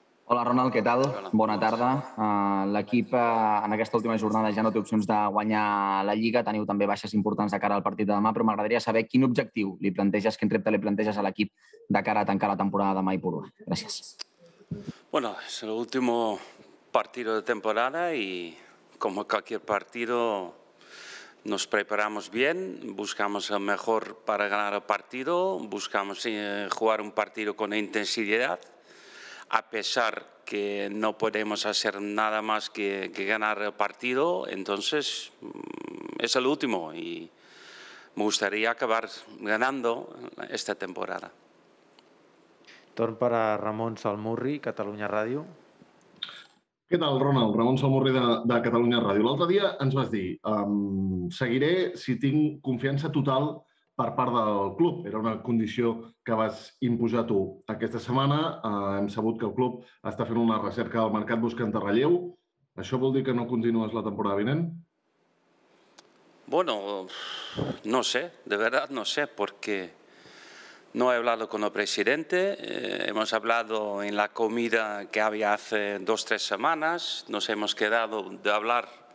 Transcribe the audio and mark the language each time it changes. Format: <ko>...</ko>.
<ca>Hola Ronald, què tal? Bona tarda. L'equip en aquesta última jornada ja no té opcions de guanyar la Lliga, teniu també baixes importants de cara al partit de demà, però m'agradaria saber quin objectiu li planteges, quin repte li planteges a l'equip de cara a tancar la temporada demà i Purua. Gràcies.</ca> <es>Bueno, es el último partido de temporada y como cualquier partido nos preparamos bien, buscamos el mejor para ganar el partido, buscamos jugar un partido con intensidad, a pesar que no podemos hacer nada más que ganar el partido, entonces es el último y me gustaría acabar ganando esta temporada.</es> <ca>Torn per a Ramon Salmurri, Catalunya Ràdio. Què tal, Ronald? Ramon Salmurri de Catalunya Ràdio. L'altre dia ens vas dir, seguiré si tinc confiança total per part del club. Era una condició que vas imposar tu. Aquesta setmana hem sabut que el club està fent una recerca al mercat buscant relleu. Això vol dir que no continues la temporada vinent?</ca> <es>Bueno, no sé, de verdad no sé, porque no he hablado con el presidente, hemos hablado en la comida que había hace dos o tres semanas, nos hemos quedado de hablar</es>